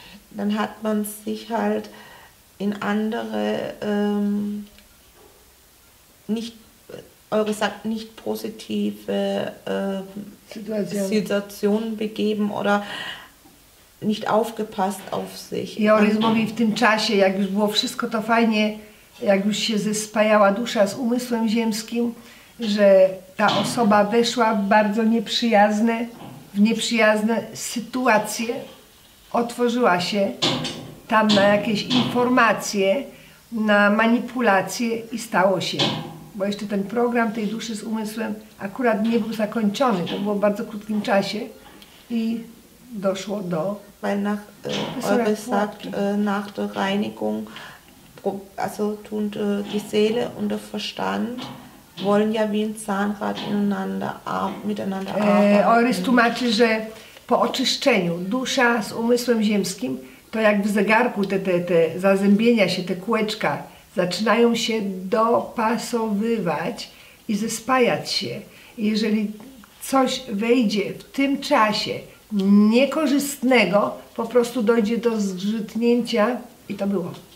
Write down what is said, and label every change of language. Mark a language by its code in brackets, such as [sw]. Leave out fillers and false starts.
[de] Dann hat man sich halt in andere nicht eure sagt nicht positive Situationen begeben oder nicht aufgepasst auf sich. [pl] Ja, Ores mówi, w tym czasie, jak już było wszystko to fajnie, jak już się zespajała dusza z umysłem ziemskim, że ta osoba weszła w bardzo nieprzyjazne, w nieprzyjazne sytuacje, otworzyła się tam na jakieś informacje, na manipulacje i stało się. Bo jeszcze ten program tej duszy z umysłem akurat nie był zakończony. To było w bardzo krótkim czasie i doszło do... [de] Weil nach, Ores sagt, nach der Reinigung, also tun die Seele und der Verstand wollen ja wie ein Zahnrad ineinander, miteinander arbeiten. [pl] Ores tłumaczy, że po oczyszczeniu dusza z umysłem ziemskim to jak w zegarku te zazębienia się, te kółeczka zaczynają się dopasowywać i zespajać się. I jeżeli coś wejdzie w tym czasie niekorzystnego, po prostu dojdzie do zgrzytnięcia i to było.